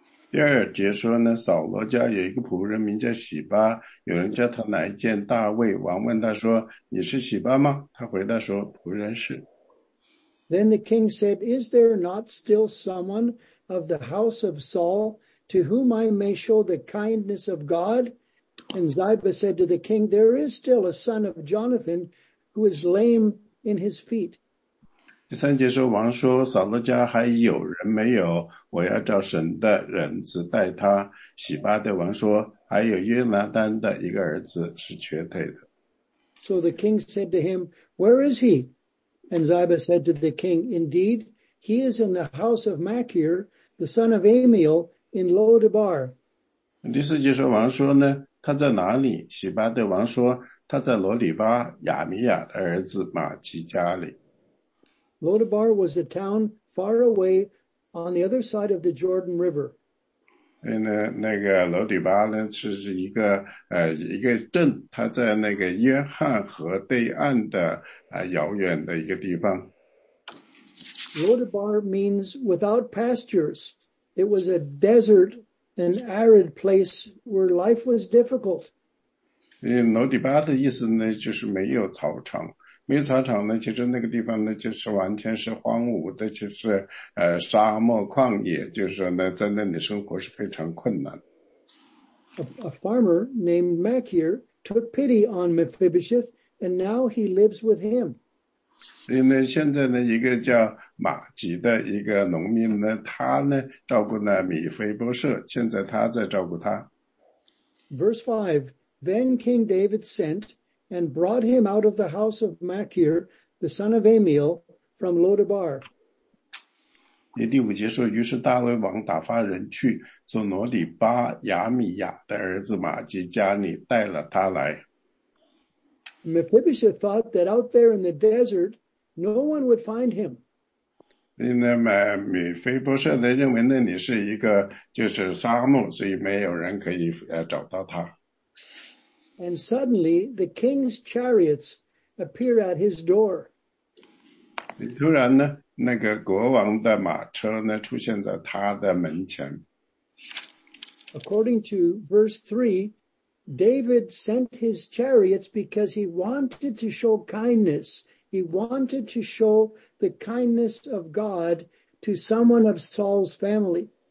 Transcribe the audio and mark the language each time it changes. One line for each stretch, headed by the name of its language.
Chinese: 第二节说呢，扫罗家有一个仆人名叫洗巴，有人叫他来见大卫。王问他说，你是洗巴吗？他回答说，仆人是。
English: Then the king said, Is there not still someone of the house of Saul to whom I may show the kindness of God? And Ziba said to the king, There is still a son of Jonathan who is lame in his feet.
Chinese: 第三节说王说扫罗家还有人没有我要照神的仁慈待他。洗巴对王说还有约拿单的一个儿子是瘸腿的。
English: So the king said to him, Where is he? And Ziba said to the king, Indeed, he is in the house of Machir, the son of Amiel in Lodabar.
Chinese: 第四节说王说呢他在哪里？洗巴对王说：“他在罗里巴亚米亚的儿子马基家里。”
English: Lodabar was a town far away on the other side of the Jordan River.
Chinese: 那个罗里巴呢，是一个镇，它在那个约翰河对岸的遥远的一个地方。
English: Lodabar means without pastures. It was a desert. An arid place where life was difficult.
Chinese: 罗底巴的意思呢，就是没有草场。没有草场呢，其实那个地方呢，就是完全是荒芜的，就是沙漠旷野，就是说呢，在那里生活是非常困难。
English: A farmer named Machir took pity on Mephibosheth, and now he lives with him.
Chinese: 所以呢，现在呢，一个叫马吉的一个农民呢，他呢照顾那米菲波设，现在他在照顾他。
English: Verse 5, then King David sent and brought him out of the house of Machir, the son of Amiel, from Lodabar.
Chinese: 第五节说，于是大卫王打发人去，从罗底巴亚米亚的儿子马吉家里带了他来。
English: Mephibosheth thought that out there in the desert, no one would find him.
Chinese: 那么米菲波设呢认为那里是一个就是沙漠，所以没有人可以找到他。
English: And suddenly, the king's chariots appear at his door.
Chinese: 突然呢，那个国王的马车呢出现在他的门前。
English: According to verse 3, David sent his chariots because he wanted to show kindness. He wanted to show the kindness of God to someone of Saul's family.